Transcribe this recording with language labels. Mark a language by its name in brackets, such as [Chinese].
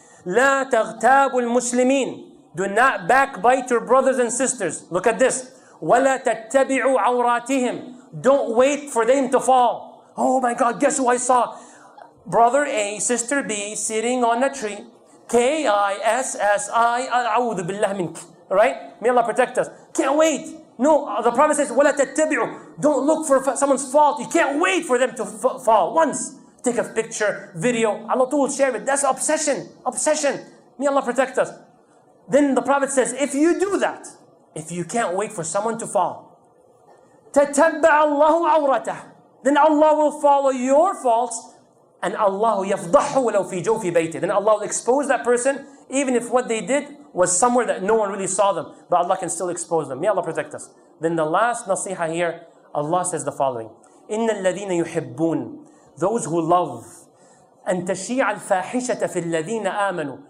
[Arabic] لَا تَغْتَابُ الْمُسْلِمِينَ. [English] Do not backbite your brothers and sisters. Look at this. [Arabic] وَلَا تَتَّبِعُ عَوْرَاتِهِمْ. [English] Don't wait for them to fall. Oh my God, guess who I saw? Brother A, sister B, sitting on a tree. [Arabic] K-I-S-S-I, أَعُوذُ بِاللَّهِ مِنْكِ. [English] Right? May Allah protect us. Can't wait. No, the Prophet says, [Arabic] وَلَا تَتَّبِعُ. [English] Don't look for someone's fault. You can't wait for them to fall. Once. Take a picture, video. Allah will share it. That's obsession. Obsession. May Allah protect us. Then the Prophet says, if you do that, if you can't wait for someone to fall, [Arabic] تَتَّبَّعَ اللَّهُ عَوْرَتَهُ. [English] Then Allah will follow your faults. [Arabic] And Allah يَفْضَحُ وَلَوْ فِي جَوْفِ بَيْتِهِ. [English] Then Allah will expose that person, even if what they did was somewhere that no one really saw them, but Allah can still expose them. May Allah protect us. Then the last nasiha here, Allah says the following. [Arabic] إِنَّ الَّذِينَ يُحِبُّونَ. [English] Those who love. [Arabic] أَن تَشِيعَ الْفَاحِشَةَ فِي الَّذِينَ آمَنُوا.